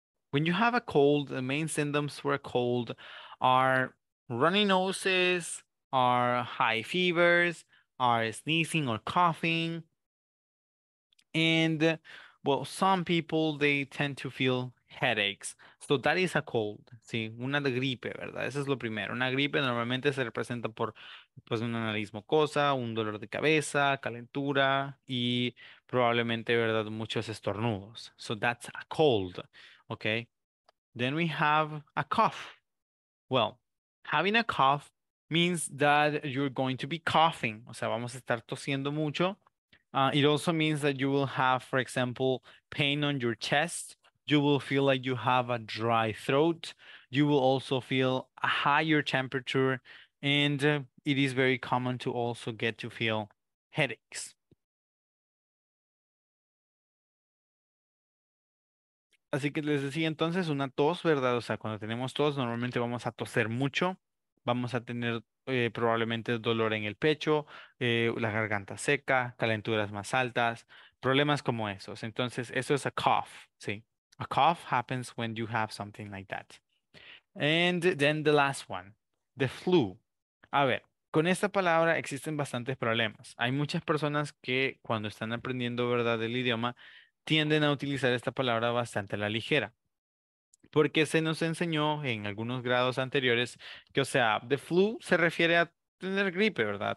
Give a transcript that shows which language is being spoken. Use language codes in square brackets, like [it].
[en] When you have a cold, the main symptoms for a cold are runny noses, are high fevers, are sneezing or coughing. And some people, they tend to feel headaches. So that is a cold, [es] sí, una de gripe, ¿verdad? Eso es lo primero. Una gripe normalmente se representa por pues una nariz mucosa, un dolor de cabeza, calentura y probablemente, ¿verdad?, muchos estornudos. [en] So that's a cold, okay? Then we have a cough. Well, having a cough means that you're going to be coughing. [es] O sea, vamos a estar tosiendo mucho. [en] It also means that you will have, for example, pain on your chest. You will feel like you have a dry throat. You will also feel a higher temperature. And it is very common to also get to feel headaches. [es] Así que les decía entonces, una tos, ¿verdad? O sea, cuando tenemos tos, normalmente vamos a toser mucho. Vamos a tener probablemente dolor en el pecho, la garganta seca, calenturas más altas, problemas como esos. Entonces, eso es a cough, ¿sí? [en] A cough happens when you have something like that. And then the last one, the flu. [es] A ver, con esta palabra existen bastantes problemas. Hay muchas personas que cuando están aprendiendo, ¿verdad?, el idioma, tienden a utilizar esta palabra bastante a la ligera. Porque se nos enseñó en algunos grados anteriores que, o sea, the flu se refiere a tener gripe, ¿verdad?